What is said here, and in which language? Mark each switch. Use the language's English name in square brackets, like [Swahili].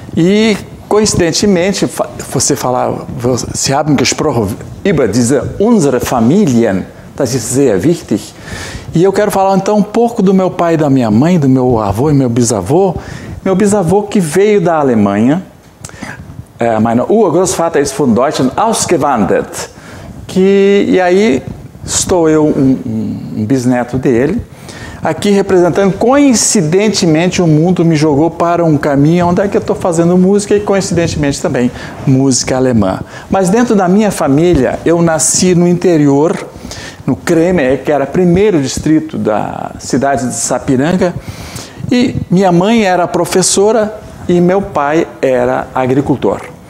[Portuguese] E, coincidentemente, você fala, [German] Sie haben gesprochen über diese unsere Familien, das ist sehr wichtig. [Portuguese] E eu quero falar então um pouco do meu pai, da minha mãe, do meu avô e meu bisavô. Meu bisavô que veio da Alemanha, [German] mein Urgroßvater ist von Deutschland ausgewandert. [Portuguese] E aí estou eu, um bisneto dele, aqui representando. Coincidentemente, o mundo me jogou para um caminho onde é que eu estou fazendo música e, coincidentemente, também música alemã. Mas dentro da minha família, eu nasci no interior, no Creme, que era primeiro distrito da cidade de Sapiranga, e minha mãe era professora e meu pai era agricultor.